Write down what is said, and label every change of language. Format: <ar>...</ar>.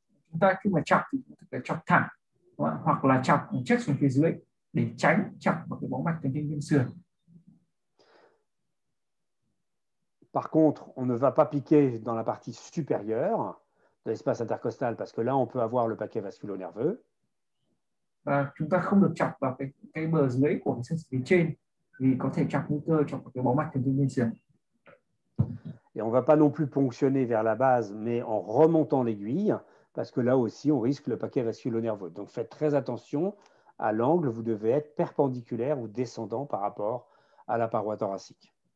<vi>Chúng ta khi mà chọc thì phải chọc thẳng hoặc là chọc trước xuống phía dưới để tránh chọc vào cái bó mạch thần kinh liên sườn.</vi> <fr>Par contre, on ne va pas piquer dans la partie supérieure de l'espace intercostal parce que là, on peut avoir le paquet vasculo-nerveux.</fr> <vi>Và chúng ta không được chọc vào cái bờ dưới của cái xương phía trên vì có thể chọc nguy cơ chọc vào cái bó mạch thần kinh liên sườn.</vi> <fr>Et on ne va pas non plus ponctionner vers la base, mais en remontant l'aiguille, parce que là aussi, on risque le paquet vasculo-nerveux. Donc faites très attention à l'angle, vous devez être perpendiculaire ou descendant par rapport à la paroi thoracique.</fr>